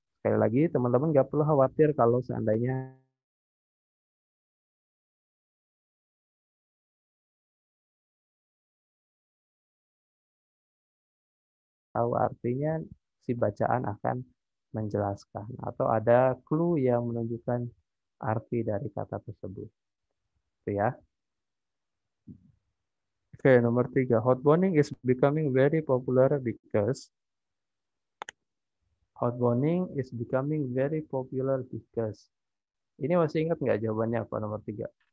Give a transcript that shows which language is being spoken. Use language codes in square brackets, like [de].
[id] Sekali lagi teman-teman nggak perlu khawatir kalau seandainya tahu artinya si bacaan akan menjelaskan atau ada clue yang menunjukkan arti dari kata tersebut. Itu ya. Oke, nomor tiga. [en] Hot bonding is becoming very popular because hot bonding is becoming very popular because. [id] Ini masih ingat nggak jawabannya apa nomor tiga?